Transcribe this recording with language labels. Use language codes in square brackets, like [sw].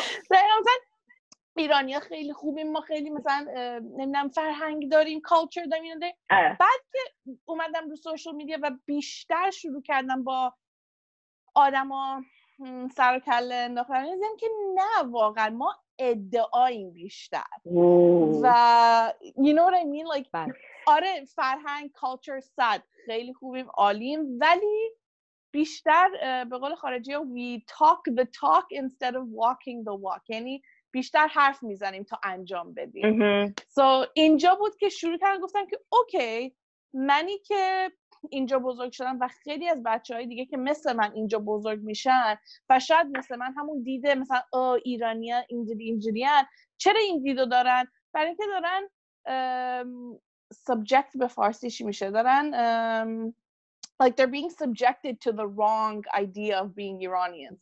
[fa] مثلا ایرانی ها خیلی خوبیم، ما خیلی مثلا نمیدونم فرهنگ داریم، کالچر داریم. بعد که اومدم رو سوشل میدیا و بیشتر شروع کردم با آدم ها سر و کله انداختن، دیدم که نه واقعا ما ادعاییم بیشتر. [en] و you know what I mean like [fa] بس. آره فرهنگ کالچر صد خیلی خوبیم عالیم، ولی بیشتر به قول خارجی ها [en] we talk the talk instead of walking the walk، [fa] یعنی بیشتر حرف میزنیم تا انجام بدیم. So اینجا بود که شروع کردم گفتم که اوکی، منی که اینجا بزرگ شدم و خیلی از بچه های دیگه که مثل من اینجا بزرگ میشن و شاید مثل من همون دیده مثلا ایرانی ها اینجوری اینجوری هن، چرا این دیدو دارن؟ برای اینکه دارن subject به فارسیش میشه، دارن [en] like they're being subjected to the wrong idea of being Iranian.